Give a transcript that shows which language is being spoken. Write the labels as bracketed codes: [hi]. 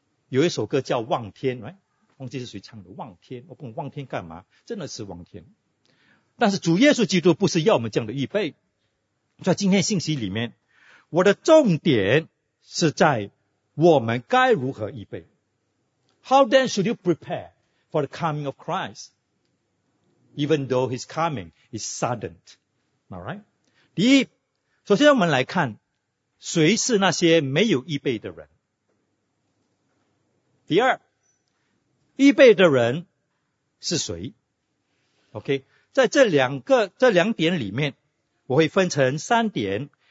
[zh] 有一首歌叫望天，忘记是谁唱的，望天，我不望天干嘛，真的是望天。但是主耶稣基督不是要我们这样的预备。在今天信息里面，我的重点是在我们该如何预备。 [en] How then should you prepare for the coming of Christ, even though his coming is sudden? Alright? [zh] 第一，首先我们来看谁是那些没有预备的人。第二，预备的人是谁？ OK, 在这两点里面我会分成三点。